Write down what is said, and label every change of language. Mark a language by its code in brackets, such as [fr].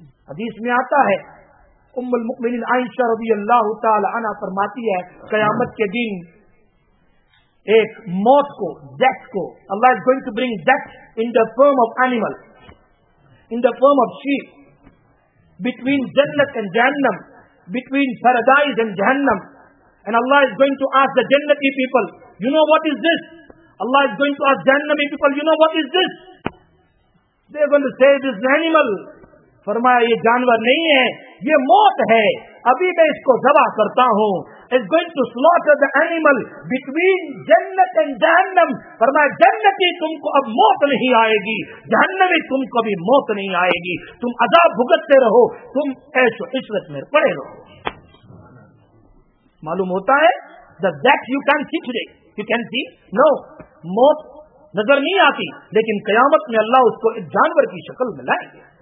[ur] حدیث میں آتا ہے ام المؤمنین عائشہ رضی اللہ تعالی عنہ فرماتی ہے, قیامت کے دن ایک موت کو, [en] Death کو, Allah is going to bring death in the form of animal, in the form of sheep, between جنت and جہنم, between paradise and جہنم, and Allah is going to ask the جنتی people, you know what is this, Allah is going to ask جہنمی people, you know what is this, they going to say this animal. [ur] فرمایا یہ جانور نہیں ہے, یہ موت ہے, ابھی میں اس کو ذبح کرتا ہوں. [en] Is going to slaughter the animal between jannat and jahannam. [ur] فرمایا جنتی تم کو اب موت نہیں آئے گی, جہنمی تم کو بھی موت نہیں آئے گی, تم عذاب بھگتتے رہو, تم ایش و عشرت میں پڑے رہو. معلوم ہوتا ہے [en] that you can see today, you can see, no, [ur] موت نظر نہیں آتی, لیکن قیامت میں اللہ اس کو ایک جانور کی شکل میں لائے گا.